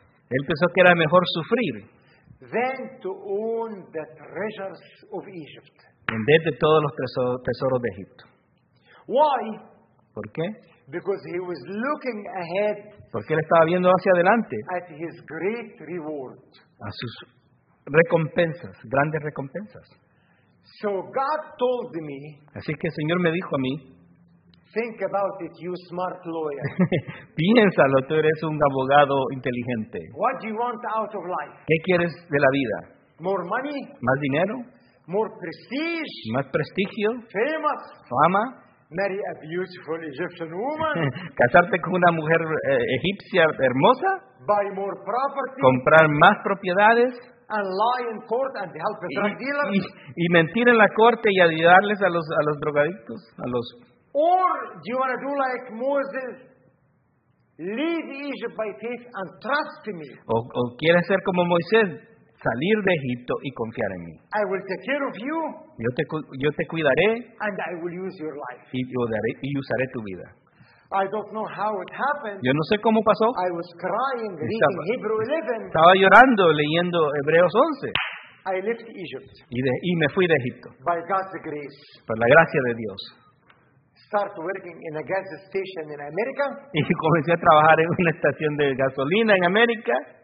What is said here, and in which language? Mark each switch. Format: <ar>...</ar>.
<es>Él pensó que era mejor sufrir.</es> <en>Than to own the treasures of Egypt.</en> <es>En vez de todos los tesoros de Egipto.</es> <en>Why?</en> <es>¿Por qué?</es> <en>Because he was looking ahead.</en> <es>Porque él estaba viendo hacia adelante.</es> <en>At his great reward.</en> <es>A sus recompensas, grandes recompensas.</es> <en>So God told me.</en> <es>Así que el Señor me dijo a mí.</es> <en>Think about it, you smart lawyer.</en> <es>Piénsalo, tú eres un abogado inteligente.</es> <en>What do you want out of life?</en> <es>¿Qué quieres de la vida?</es> <en>More money?</en> <es>Más dinero?</es> <en>More prestige?</en> <es>Más prestigio?</es> <en>Famous?</en> <es>Fama?</es> <en>Marry a beautiful Egyptian woman?</en> <es>¿Casarte con una mujer egipcia hermosa?</es> <en>Buy more property?</en> <es>¿Comprar más propiedades?</es> <en>And lie in court and help the drug dealers?</en> <es>Y mentir en la corte y ayudarles a los drogadictos, a los...</es> <en>Or do you want to do like Moses, leave Egypt by faith and trust in me?</en> <es>O quieres ser como Moisés, salir de Egipto y confiar en mí.</es> <en>I will take care of you.</en> <es>Yo te cuidaré.</es> <en>And I will use your life.</en> <es>Y usaré tu vida.</es> <en>I don't know how it happened.</en> <es>Yo no sé cómo pasó.</es> <en>I was crying reading Hebrew 11.</en> <es>Estaba llorando leyendo Hebreos 11.</es> <en>I left Egypt.</en> <es>Y me fui de Egipto.</es> <en>By God's grace.</en> <es>Por la gracia de Dios.</es> <en>Start working in a gas station in America.</en> <es>Y comencé a trabajar en una estación de gasolina en América.</es>